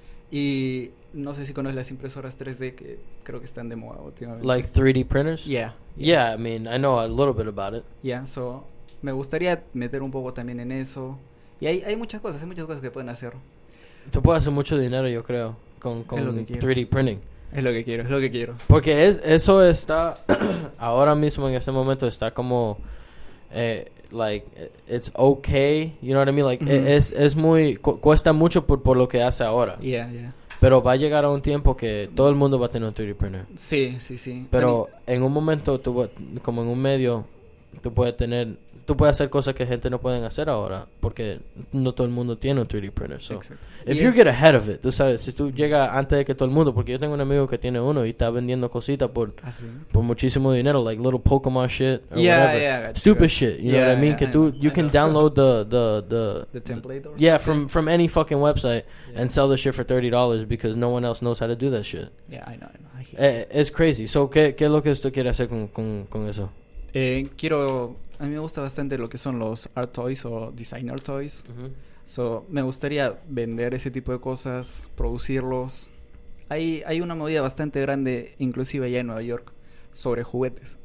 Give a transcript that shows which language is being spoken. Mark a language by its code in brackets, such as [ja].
[es] Y no sé si conoces las impresoras 3D que creo que están de moda últimamente. [en] Like 3D printers? Yeah. Yeah, I mean, I know a little bit about it. [es] Yeah, so me gustaría meter un poco también en eso. Y hay muchas cosas que pueden hacer. Tú puedes hacer mucho dinero, yo creo, con 3D printing. Es lo que quiero, es lo que quiero. Porque eso está, ahora mismo, en este momento, está como, like, [en] it's okay, you know what I mean? [es] Like, mm-hmm. es muy, cuesta mucho por lo que hace ahora. [en] Yeah, yeah. [es] Pero va a llegar a un tiempo que todo el mundo va a tener un 3D printer. Sí, sí, sí. Pero en un momento, como en un medio, tú puedes hacer cosas que gente no puede hacer ahora, porque no todo el mundo tiene un 3D printer. [en] So, if you get ahead of it, [es] tú sabes, si tú llegas antes de que todo el mundo, porque yo tengo un amigo que tiene uno y está vendiendo cositas por muchísimo dinero, [en] like little Pokemon shit or whatever. Yeah, stupid true. Shit, you know what I mean? You can download the template or something. from any fucking website and sell the shit for $30 because no one else knows how to do that shit. Yeah, I know. It's crazy. [es] So, ¿qué es lo que tú quieres hacer con eso? A mí me gusta bastante lo que son los art toys o designer toys. Uh-huh. So, me gustaría vender ese tipo de cosas, producirlos. Hay una movida bastante grande, inclusive allá en Nueva York, sobre juguetes.